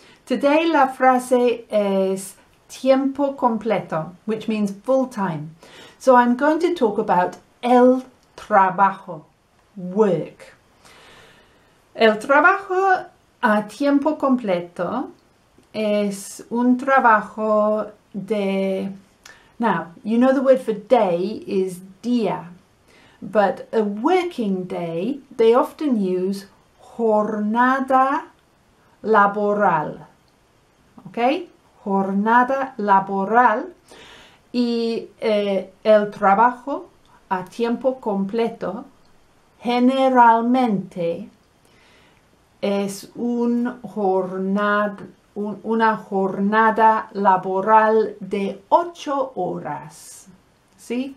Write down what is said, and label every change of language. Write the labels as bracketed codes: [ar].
[en] Today [es] la frase [en] is tiempo completo, which means full time. So I'm going to talk about el trabajo, work. [es] El trabajo a tiempo completo es un trabajo de... [en] Now, you know the word for day is día. But a working day, they often use jornada laboral, okay? [es] Jornada laboral. Y el trabajo a tiempo completo generalmente es una jornada laboral de 8 horas, ¿sí?